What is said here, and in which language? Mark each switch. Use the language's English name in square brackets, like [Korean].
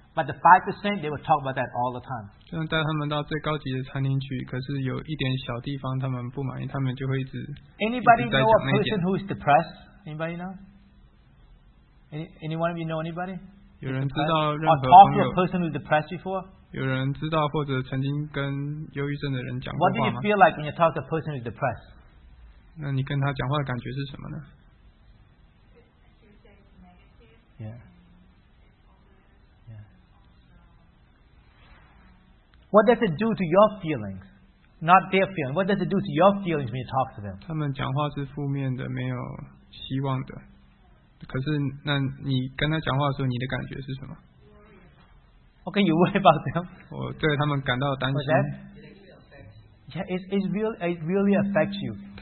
[English] But the 5%, they will talk about that all the time. [Chinese] 就像带他们到最高级的餐厅去，可是有一点小地方他们不满意，他们就会一直在讲那点。 [English] Anybody know a person who is depressed? Anybody know? Anyone of you know anybody? [Chinese] 有人知道任何朋友 [English] Or talk to a person who is depressed before? [Chinese] 有人知道或者曾经跟忧郁症的人讲过话吗？ [English] What do you feel like when you talk to a person who is depressed? [Chinese] 那你跟他讲话的感觉是什么呢？ [English] What does it do to your feelings? Not their feelings. What does it do to your feelings when you talk to them? [Chinese] 他们讲话是负面的，没有希望的。可是，那你跟他讲话的时候，你的感觉是什么？ [English] Okay, you worry about them. [Chinese] 我对他们感到担心。 [English] Yeah, it really affects you.